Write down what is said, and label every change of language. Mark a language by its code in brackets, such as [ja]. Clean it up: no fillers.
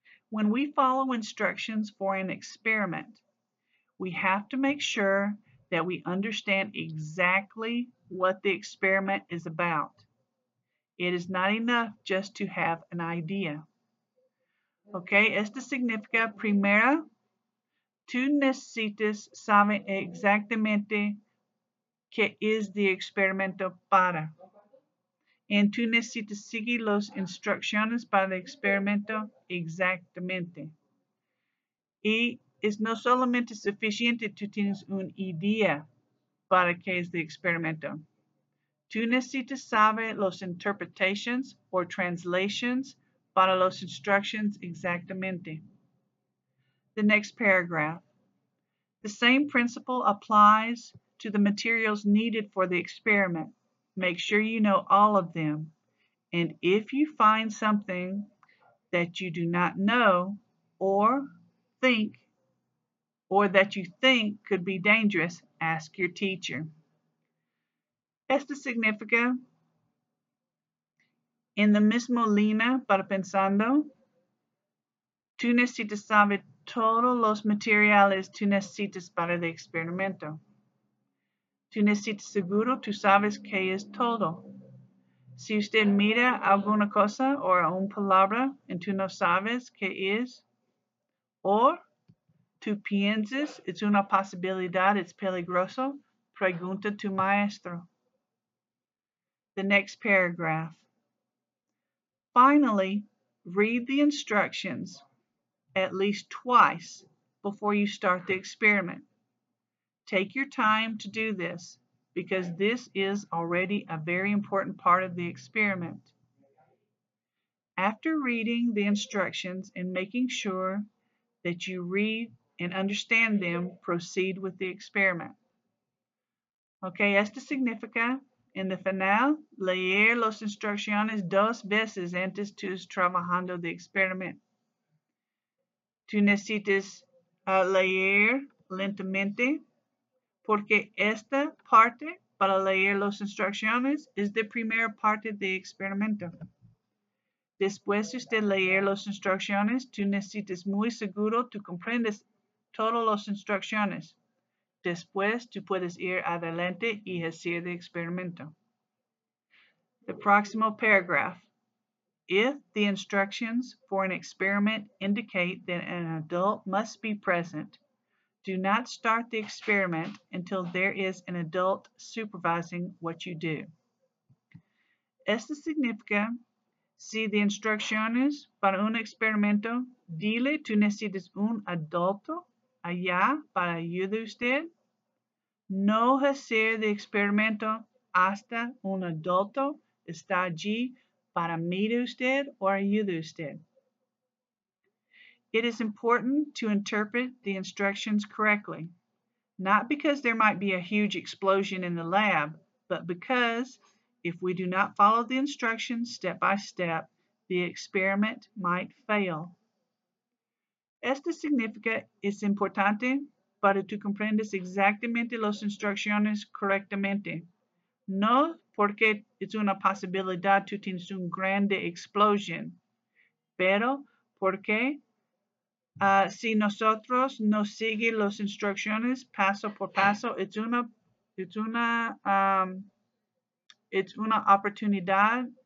[en] When we follow instructions for an experiment, we have to make sure that we understand exactly what the experiment is about. It is not enough just to have an idea. [es] Okay, esto significa, primero, tú necesitas saber exactamente qué es el experimento para. And tú necesitas seguir las instrucciones para el experimento exactamente. Y es no solamente suficiente tú tienes una idea para qué es el experimento. Tú necesitas saber las [en] interpretations or translations [es] para las instructions exactamente. [en] The next paragraph. The same principle applies to the materials needed for the experiment. Make sure you know all of them. And if you find something that you do not know or that you think could be dangerous, ask your teacher. [es] Esto significa, en la misma línea para pensando, tú necesitas saber todos los materiales tú necesitas para el experimento. Tú necesitas seguro, tú sabes que es todo. Si usted mira alguna cosa o una palabra y tú no sabes qué es, o tú piensas, es una posibilidad, es peligroso, pregunta tu maestro. [en] The next paragraph. Finally, read the instructions at least twice before you start the experiment. Take your time to do this, because this is already a very important part of the experiment. After reading the instructions and making sure that you read and understand them, proceed with the experiment. [es] Okay, esto significa, en el final, leer las instrucciones dos veces antes de trabajando el experiment. Tú necesitas leer lentamente. Porque esta parte, para leer las instrucciones, es la primera parte del experimento. Después de usted leer las instrucciones, tú necesitas muy seguro, tú comprendes todas las instrucciones. Después, tú puedes ir adelante y hacer el experimento. [en] The [es] próximo [en] paragraph. If the instructions for an experiment indicate that an adult must be present, do not start the experiment until there is an adult supervising what you do. [es] Esto significa, si de instrucciones para un experimento, dile tú necesitas un adulto allá para ayudar usted. no hacer de experimento hasta un adulto está allí para mirar usted o ayudar usted. [en] It is important to interpret the instructions correctly, not because there might be a huge explosion in the lab, but because if we do not follow the instructions step by step, the experiment might fail. [es] Esto significa es importante para tú comprendes exactamente las instrucciones correctamente. No porque es una posibilidad tú tienes un grande explosion, pero porque si nosotros no seguimos las instrucciones paso por paso, es una oportunidad.